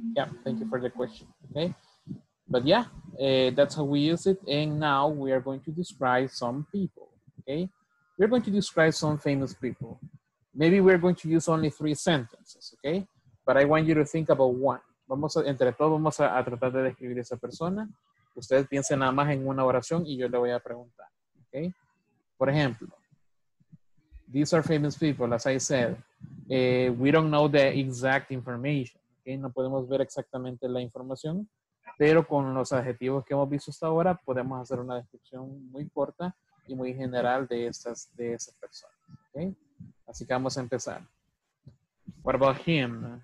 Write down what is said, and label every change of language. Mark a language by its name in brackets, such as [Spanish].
[English] Yeah. Thank you for the question. Okay. But yeah, that's how we use it. And now we are going to describe some people. Okay. We're going to describe some famous people. Maybe we're going to use only three sentences, okay? But I want you to think about one. [Spanish] Vamos a tratar de describir esa persona. Ustedes piensen nada más en una oración y yo le voy a preguntar, okay? Por ejemplo, [English] these are famous people, as I said. We don't know the exact information, okay? [Spanish] No podemos ver exactamente la información, pero con los adjetivos que hemos visto hasta ahora, podemos hacer una descripción muy corta y muy general de estas, de esas personas, okay? Así que vamos a empezar. [English] What about him?